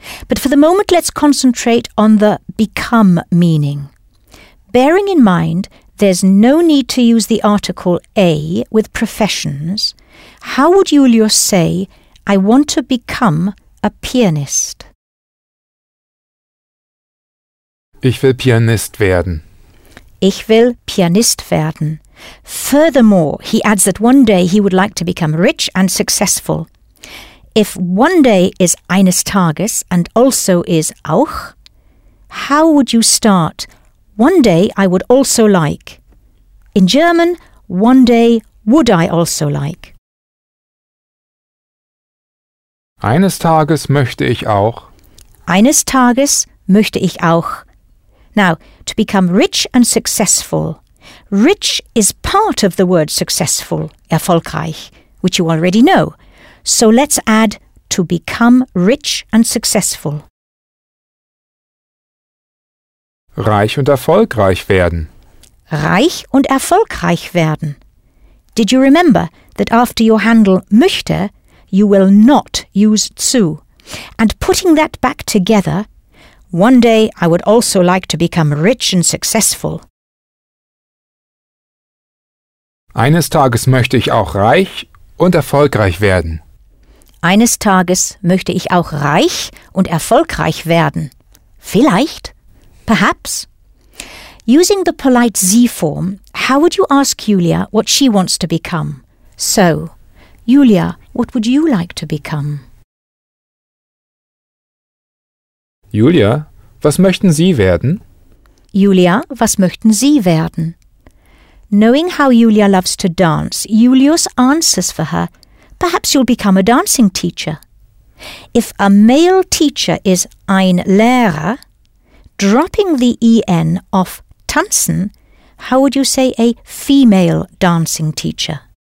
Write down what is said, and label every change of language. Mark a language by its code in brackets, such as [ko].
[en] But for the moment, let's concentrate on the become meaning. Bearing in mind, there's no need to use the article a with professions. How would Julius say, I want to become a pianist? [de] Ich will Pianist werden. Ich will Pianist werden. [en] Furthermore, he adds that one day he would like to become rich and successful. If one day is [de] eines Tages [en] and also is auch, how would you start? One day I would also like. In German, one day would I also like. [de] Eines Tages möchte ich auch. Eines Tages möchte ich auch. [en] Now, to become rich and successful. Rich is part of the word successful, erfolgreich, which you already know. So let's add to become rich and successful. [de] Reich und erfolgreich werden. Reich und erfolgreich werden. [en] Did you remember that after your handle möchte, you will not use zu? And putting that back together, one day I would also like to become rich and successful. [de] Eines Tages möchte ich auch reich und erfolgreich werden. Eines Tages möchte ich auch reich und erfolgreich werden. Vielleicht? [en] Perhaps? Using the polite Sie form, how would you ask Julia what she wants to become? So, Julia, what would you like to become? [de] Julia, was möchten Sie werden? Julia, was möchten Sie werden? [en] Knowing how Julia loves to dance, Julius answers for her, perhaps you'll become a dancing teacher. If a male teacher is [de] ein Lehrer, [en] dropping the en off tanzen, how would you say a female dancing teacher?